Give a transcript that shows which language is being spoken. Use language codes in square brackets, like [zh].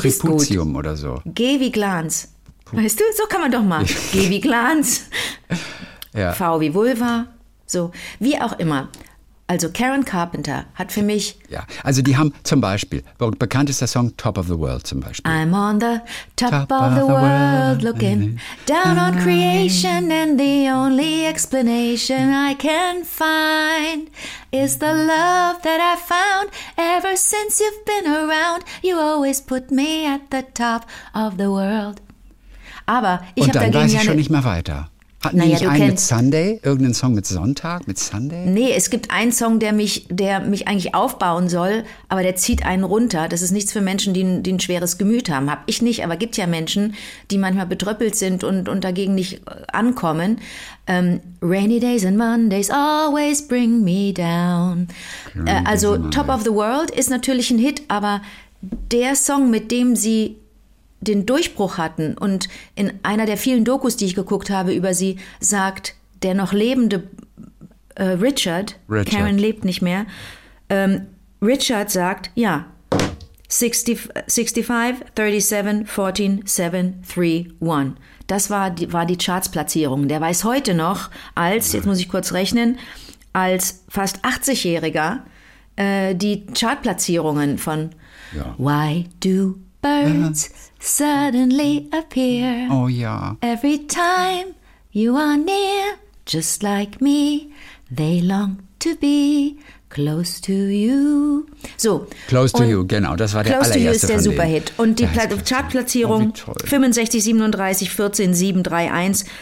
[de] Tripuzium oder so. Geh wie Glanz. Weißt du, so kann man doch mal. Geh wie Glanz. Ja. V wie Vulva. So, wie auch immer. Also Karen Carpenter hat für mich... Ja, also die haben zum Beispiel, bekannt ist der Song Top of the World zum Beispiel. [en] I'm on the top of the world looking down on creation and the only explanation I can find is the love that I found ever since you've been around. You always put me at the top of the world. [de] Aber ich und dann dagegen weiß ich schon nicht mehr weiter. Hatten die nicht einen mit Sunday? Irgendeinen Song mit Sonntag? Mit Sunday? Nee, es gibt einen Song, der mich eigentlich aufbauen soll, aber der zieht einen runter. Das ist nichts für Menschen, die ein schweres Gemüt haben. Hab ich nicht, aber gibt ja Menschen, die manchmal betröppelt sind und dagegen nicht ankommen. [en] Rainy days and Mondays always bring me down. [de] Also Top of the World ist natürlich ein Hit, aber der Song, mit dem sie den Durchbruch hatten und in einer der vielen Dokus, die ich geguckt habe über sie, sagt der noch lebende Richard, Karen lebt nicht mehr, Richard sagt, ja, 65, 37, 14, 7, 3, 1. Das war die Chartsplatzierung. Der weiß heute noch als fast 80-Jähriger die Chartplatzierungen von Why do birds suddenly appear. Oh ja. [en] Every time you are near, just like me, they long to be close to you. [de] So. Close to you, genau. Das war der allererste. Close to you ist der Superhit. Denen. Und die Chartplatzierung 65, 37, 14, 7, 3, 1.